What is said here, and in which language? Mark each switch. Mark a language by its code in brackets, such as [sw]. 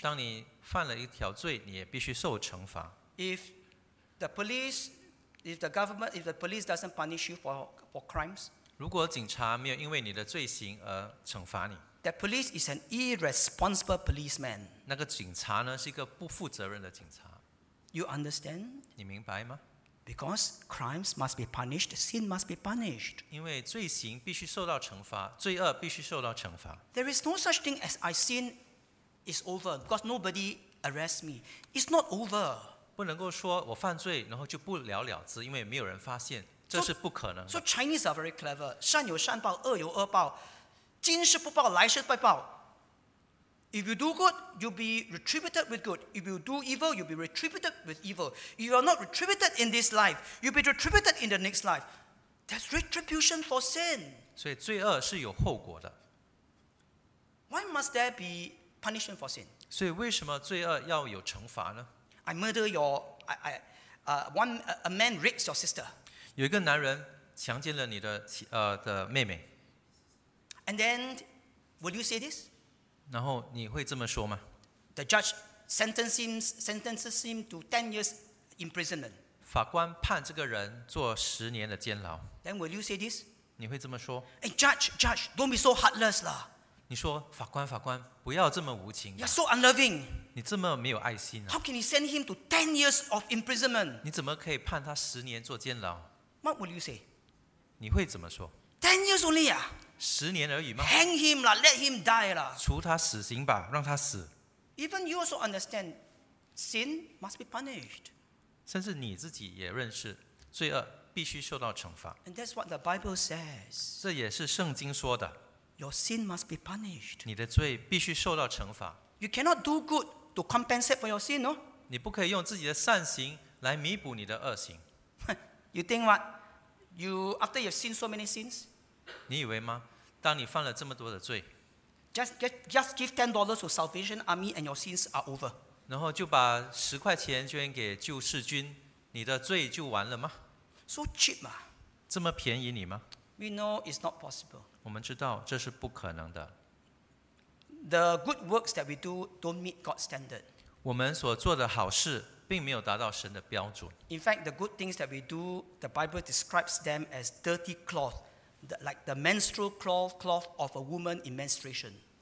[zh] 当你犯了一条罪，你也必须受惩罚。 [en] If the police doesn't punish you for crimes. [zh] 如果警察没有因为你的罪行而惩罚你。 [en] The police is an irresponsible policeman. [zh] 那个警察呢，是一个不负责任的警察。 [en] You understand? [zh] 你明白吗？ [en] Because crimes must be punished, sin must be punished. [zh] 因为罪行必须受到惩罚，罪恶必须受到惩罚。 [en] There is no such thing as I sin is over because nobody arrests me. It's not over. [zh] 不能够说我犯罪然后就不了了之，因为没有人发现，这是不可能的。 [en] So Chinese are very clever. [zh] 善有善报，恶有恶报。今世不报，来世必报。 [en] If you do good, you'll be retributed with good. If you do evil, you'll be retributed with evil. You are not retributed in this life, you'll be retributed in the next life. That's retribution for sin. [zh] 所以罪恶是有后果的。 [en] Why must there be punishment for sin? [zh] 所以为什么罪恶要有惩罚呢？ [en] I murder your, a man rapes your sister. [zh] 有一个男人强奸了你的的妹妹。 [en] And then, will you say this? [zh] 然后你会这么说吗？ [en] The judge sentences him to 10 years imprisonment. [zh] 法官判这个人坐十年的监牢。 [en] Then will you say this? [zh] 你会这么说？ [en] Hey, judge, don't be so heartless lah. [zh] 你说法官，不要这么无情。 [en] You're so unloving. [zh] 你这么没有爱心啊。 [en] How can you send him to 10 years of imprisonment? [zh] 你怎么可以判他十年坐监牢？ [en] What will you say? [zh] 你会怎么说？ [en] 10 years only 啊。 [zh] 十年而已吗？ [en] Hang him lah, let him die lah. [zh] 处他死刑吧，让他死。 [en] Even you also understand, sin must be punished. [zh] 甚至你自己也认识，罪恶必须受到惩罚。 [en] And that's what the Bible says. [zh] 这也是圣经说的。 [en] Your sin must be punished. [zh] 你的罪必须受到惩罚。 [en] You cannot do good to compensate for your sin, no? [zh] 你不可以用自己的善行来弥补你的恶行。 [en] You think what? You after you've sinned so many sins? [zh] 你以为吗？当你犯了这么多的罪 [en] ，just give $10 to Salvation Army and your sins are over。 [zh] 然后就把10块钱捐给救世军，你的罪就完了吗 [en] ？So cheap 嘛？ [zh] 这么便宜你吗 [en] ？We know it's not possible。 [zh] 我们知道这是不可能的。 [en] The good works that we do don't meet God's standard. [zh] 我们所做的好事并没有达到神的标准。 [en] In fact, the good things that we do, the Bible describes them as dirty cloth, like the menstrual cloth of a woman in menstruation.